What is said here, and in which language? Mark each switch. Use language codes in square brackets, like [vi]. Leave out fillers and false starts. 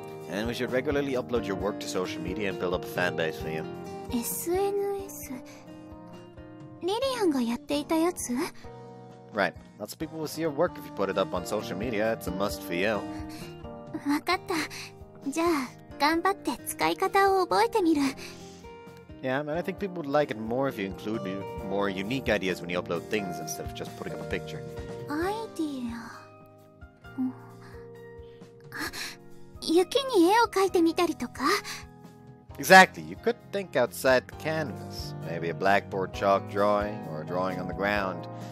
[en] And we should regularly upload your work to social media and build up a fan base for you. [ja] SNS? Lillian がやっていたやつ? [en] Right. Lots of people will see your work if you put it up on social media. It's a must for you. [ja] わかった。じゃあ、頑張って使い方を覚えてみる。 [en] Yeah, and I think people would like it more if you include more unique ideas when you upload things instead of just putting up a picture. Idea... [ja] Yuki ni ee o kaite mitari toka? [en] Exactly, you could think outside the canvas. Maybe a blackboard chalk drawing or a drawing on the ground.